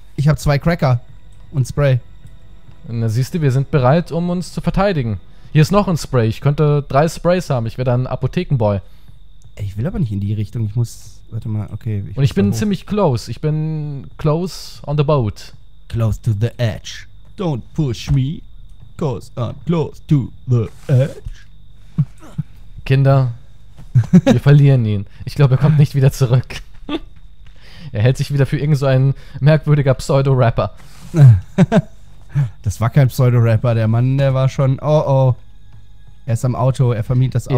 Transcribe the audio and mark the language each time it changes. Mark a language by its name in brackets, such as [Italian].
[German] Ich habe zwei Cracker und Spray. Na, siehst du, wir sind bereit, um uns zu verteidigen. Hier ist noch ein Spray. Ich könnte 3 Sprays haben. Ich wäre dann Apothekenboy. Ich will aber nicht in die Richtung. Ich muss. Warte mal, okay. Und ich bin ziemlich close. Ich bin close [English] on the boat. Close to the edge. Don't push me, cause I'm close to the edge. [German] Kinder, wir verlieren ihn. Ich glaube, er kommt nicht wieder zurück. Er hält sich wieder für irgend so ein merkwürdiger Pseudo-Rapper. Das war kein Pseudo-Rapper. Der Mann, der war schon, oh oh. Er ist am Auto, er vermietet das Auto.